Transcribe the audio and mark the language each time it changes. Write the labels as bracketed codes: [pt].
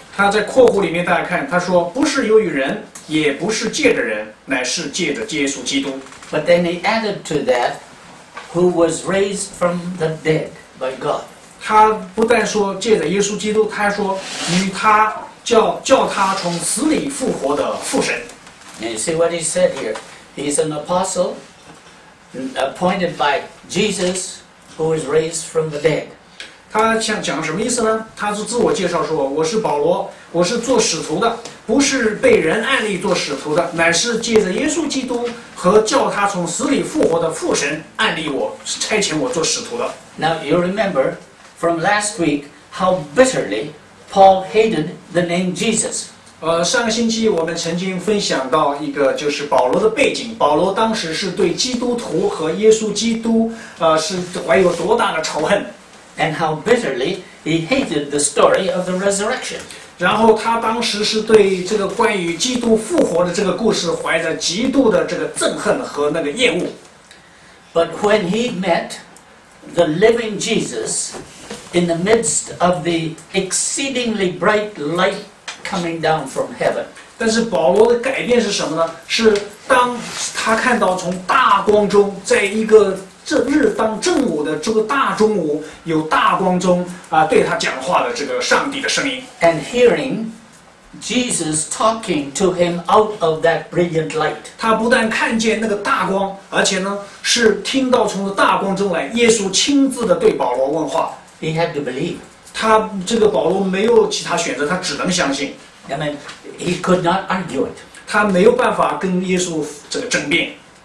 [zh] 他在括弧里面大家看，他说不是由于人，也不是借着人，乃是借着耶稣基督。 [en] But then he added to that, who was raised from the dead by God. [zh] 他不但说借着耶稣基督，他说与他叫他从死里复活的父神。 [en] And you see what he said here. He's an apostle appointed by Jesus who is raised from the dead. [zh] 他想讲什么意思呢？他是自我介绍说，我是保罗，我是做使徒的，不是被人按立做使徒的，乃是借着耶稣基督和叫他从死里复活的父神按立我，差遣我做使徒的。 [en] Now you remember from last week how bitterly Paul hated the name Jesus. [zh] 上个星期我们曾经分享到一个就是保罗的背景。保罗当时是对基督徒和耶稣基督是怀有多大的仇恨。 [en] And how bitterly he hated the story of the resurrection. [zh] 然后他当时是对这个关于基督复活的这个故事怀着极度的这个憎恨和那个厌恶。 [en] But when he met the living Jesus,In the midst of the exceedingly bright light coming down from heaven. [zh] 但是保罗的改变是什么呢？是当他看到从大光中，在一个日当正午的这个大中午，有大光中对他讲话的这个上帝的声音。 [en] And hearing Jesus talking to him out of that brilliant light. [zh] 他不但看见那个大光，而且呢是听到从大光中来耶稣亲自的对保罗问话。 [en] He had to believe. [zh] 他这个保罗没有其他选择，他只能相信。 [en] I mean, he could not argue it. [zh] 他没有办法跟耶稣这个争辩。